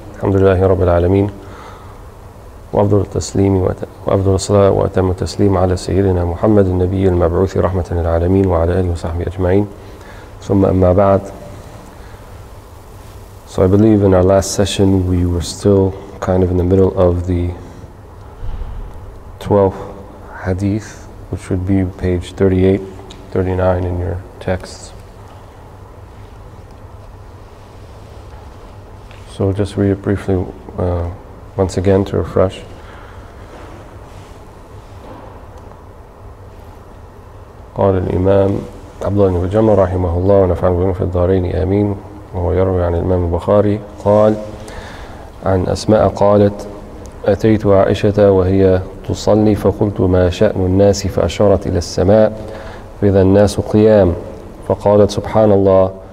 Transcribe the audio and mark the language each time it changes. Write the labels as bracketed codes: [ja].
[ar] الحمد لله رب العالمين، وأفضل التسليم وأفضل الصلاة وأتم التسليم على سيدنا محمد النبي المبعوث رحمة للعالمين وعلى آله وصحبه أجمعين. ثم أما بعد، [en] so I believe in our last session we were still kind of in the middle of the 12th hadith, which would be page 38-39 in your texts. So we'll just read it briefly once again to refresh. [ar] قال الإمام عبد الله بن جمع رحمه الله ونفعنا بهم في الدارين آمين. وهو يروي عن الإمام البخاري قال عن أسماء قالت أتيت عائشة وهي تصلي فقلت ما شأن الناس فأشارت إلى السماء فإذا الناس قيام فقالت سبحان الله